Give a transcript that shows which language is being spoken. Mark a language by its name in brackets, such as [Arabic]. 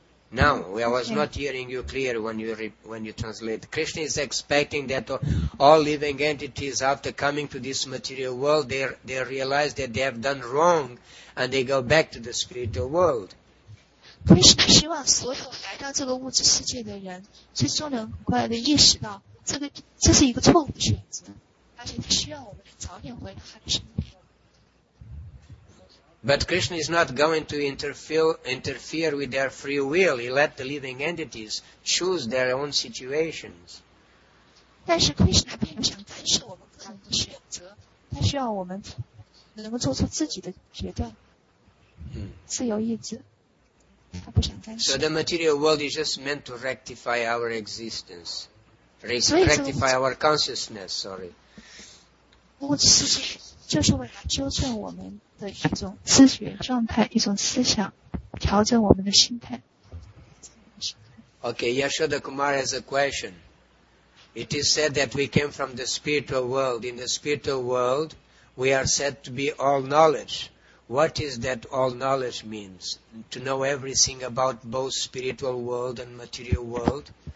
[English] Now, I was not hearing you clear when you translate. Krishna is expecting that all living entities, after coming to this material world, they realize that they have done wrong and they go back to the spiritual world. [Chinese] Krishna 希望所有来到这个物质世界的人最终能很快地意识到这是一个错误的选择，而且他需要我们早点回到他的生命。 [English] But Krishna is not going to interfere with their free will. He let the living entities choose their own situations. [Chinese] 但是 Krishna 并不想干涉我们个人的选择，他需要我们能够做出自己的决断，自由意志。 [English] So the material world is just meant to rectify our existence. Rectify our consciousness, sorry. [Chinese] 物质世界就是为了纠正我们的一种思觉状态，一种思想，调整我们的心态。 [English] Okay, Yashoda Kumar has a question. It is said that we came from the spiritual world. In the spiritual world, we are said to be all knowledge. What is that all knowledge means? To know everything about both spiritual world and material world?